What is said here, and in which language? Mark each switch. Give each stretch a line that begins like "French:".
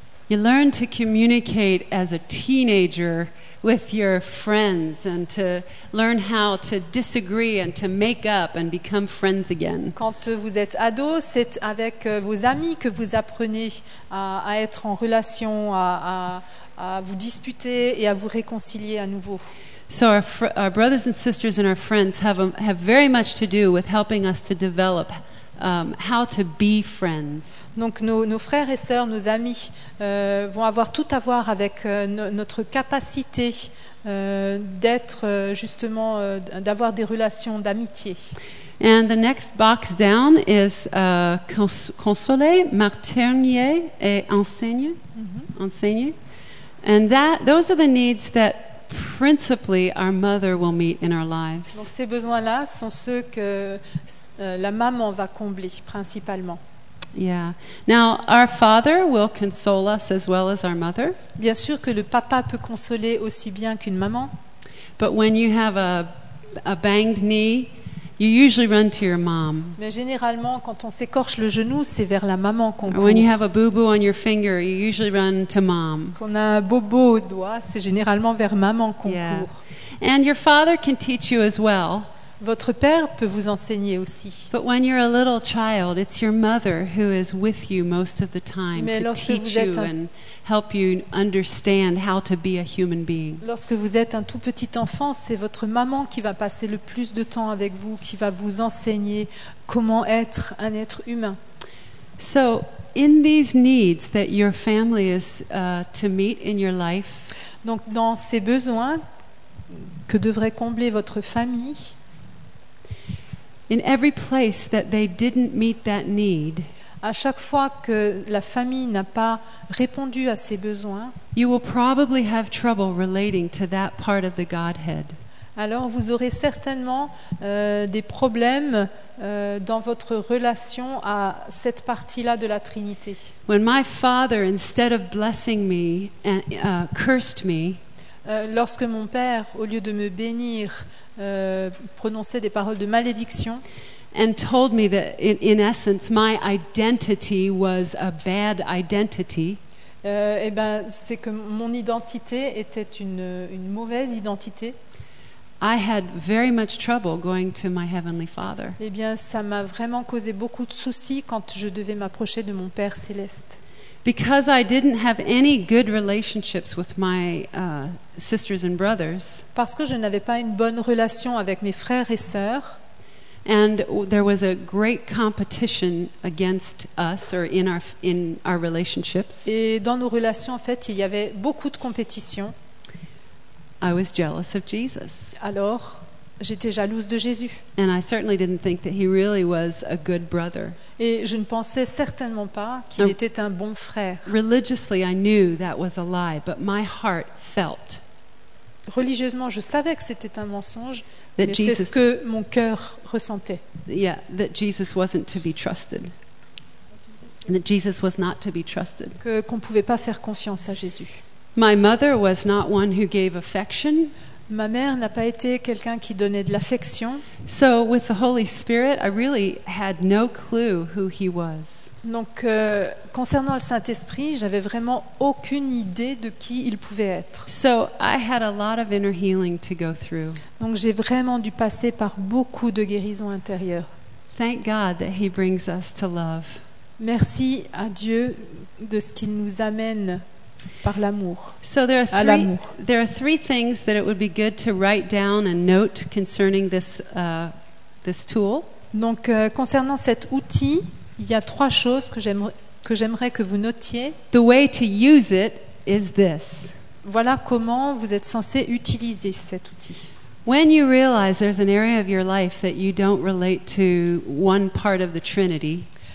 English: You learn to communicate as a teenager with your friends and to learn how to disagree and to make up and become friends again.
French: Quand vous êtes ado, c'est avec vos amis que vous apprenez à être en relation, à vous disputer et à vous réconcilier à nouveau.
English: So our brothers and sisters and our friends have very much to do with helping us to develop how to be friends.
French: Donc nos frères et sœurs, nos amis vont avoir tout à voir avec notre capacité d'être justement d'avoir des relations d'amitié.
English: And the next box down is
French: consoler, maternier et enseigner.
English: Mm-hmm.
French: Enseigner.
English: And those are the needs that principally our mother will meet in our lives.
French: Donc ces besoins-là sont ceux que la maman va combler principalement.
English: Yeah. Now our father will console us as well as our mother.
French: Bien sûr que le papa peut consoler aussi bien qu'une maman.
English: But when you have a banged knee, you usually run to your mom.
French: Mais généralement quand on s'écorche le genou, c'est vers la maman qu'on court.
English: When you have a boo-boo on your finger, you usually run to mom.
French: Quand on a un bobo au doigt, c'est généralement vers maman qu'on court.
English: And your father can teach you as well.
French: Votre père peut vous enseigner aussi.
English: But when you're a little child, it's your mother who is with you most of the time.
French: Mais
English: to teach you and help you understand how to be a human being.
French: Lorsque vous êtes un tout petit enfant, c'est votre maman qui va passer le plus de temps avec vous, qui va vous enseigner comment être un être humain.
English: So, in these needs that your family is to meet in your life.
French: Donc dans ces besoins que devrait combler votre famille.
English: In every place that they didn't meet that need,
French: à chaque fois que la famille n'a pas répondu à ses besoins,
English: you will probably have trouble relating to that part of the Godhead.
French: Alors vous aurez certainement des problèmes dans votre relation à cette partie-là de la Trinité.
English: When my father, instead of blessing me, cursed me,
French: lorsque mon père, au lieu de me bénir, prononçait des paroles de malédiction,
English: and told me that in essence my identity was a bad identity.
French: Et ben, c'est que mon identité était une mauvaise identité.
English: I had very much trouble going to my heavenly father.
French: Et bien, ça m'a vraiment causé beaucoup de soucis quand je devais m'approcher de mon Père céleste.
English: Because I didn't have any good relationships with my sisters and brothers.
French: Parce que je n'avais pas une bonne relation avec mes frères et sœurs.
English: And there was a great competition against us or in our relationships.
French: Et dans nos relations, en fait, il y avait beaucoup de compétition.
English: I was jealous of Jesus.
French: Alors, j'étais jalouse de Jésus.
English: And I certainly didn't think that he really was a good brother.
French: Et je ne pensais certainement pas qu'il était un bon frère.
English: Religiously, I knew that was a lie, but my heart felt.
French: Religieusement, je savais que c'était un mensonge, mais c'est ce que mon cœur ressentait.
English: Yeah, that Jesus wasn't to be trusted. That Jesus was not to be trusted.
French: Qu'on ne pouvait pas faire confiance à Jésus.
English: My mother was not one who gave affection.
French: Ma mère n'a pas été quelqu'un qui donnait de l'affection.
English: So with the Holy Spirit, I really had no clue who he was.
French: Donc concernant le Saint-Esprit, j'avais vraiment aucune idée de qui il pouvait être.
English: So I had a lot of inner healing to go through.
French: Donc j'ai vraiment dû passer par beaucoup de guérison intérieure.
English: Thank God that he brings us to love.
French: Merci à Dieu de ce qu'il nous amène par l'amour.
English: So there are three things that it would be good to write down and note concerning this tool.
French: Donc concernant cet outil, il y a trois choses que j'aimerais que vous notiez.
English: The way to use it is this.
French: Voilà comment vous êtes censé utiliser cet outil.
English: When you realize there's an area of your life that you don't relate to one part of the Trinity.